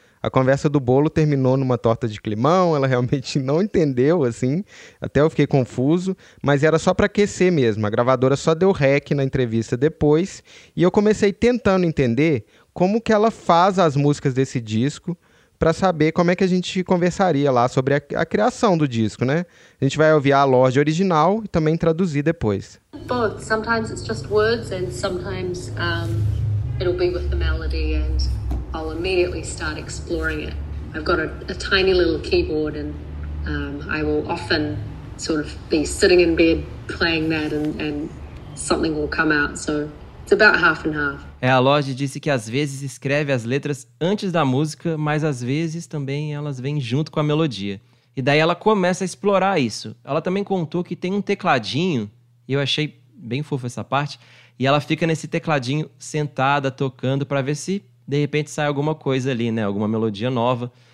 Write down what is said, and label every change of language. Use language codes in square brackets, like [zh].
[pt] A conversa do bolo terminou numa torta de climão, ela realmente não entendeu, assim, até eu fiquei confuso, mas era só para aquecer mesmo, a gravadora só deu rec na entrevista depois, e eu comecei tentando entender como que ela faz as músicas desse disco, para saber como é que a gente conversaria lá sobre a criação do disco, né? A gente vai ouvir a Lorde original e também traduzir depois. [en] Both. Sometimes it's just words and sometimes it'll be with the melody and I'll immediately start exploring it. I've got a tiny little keyboard and I will often sort of be sitting in bed playing that and something will come out. So it's about half and half. [pt] É, a Lorde disse que às vezes escreve as letras antes da música, mas às vezes também elas vêm junto com a melodia. E daí ela começa a explorar isso. Ela também contou que tem um tecladinho, e eu achei bem fofo essa parte, e ela fica nesse tecladinho sentada, tocando, para ver se de repente sai alguma coisa ali, né? Alguma melodia nova.